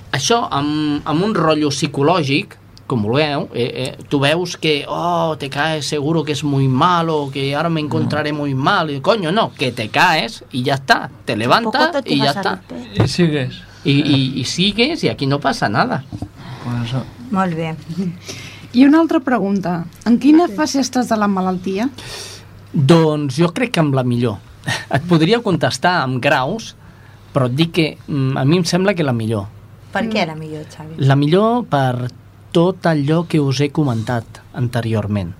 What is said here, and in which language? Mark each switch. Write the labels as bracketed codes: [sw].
[ca] Això, amb un rotllo psicològic, com vulgueu, tu veus que, oh, [es] te caes, seguro que és muy malo, que ara me encontraré muy mal, [ca] i coño, no, que te caes i ja està, [es] te levantas [ca] i ja està. I sigues. I sigues i aquí [es] no passa nada. Pues eso. [ca] Molt bé. I una altra pregunta. En quina fase estàs de la malaltia? Doncs jo crec que amb la millor. Et podria contestar amb graus, però et dic que a mi em sembla que la millor. Per què la millor, Xavi? La millor per tot allò que us he comentat anteriorment.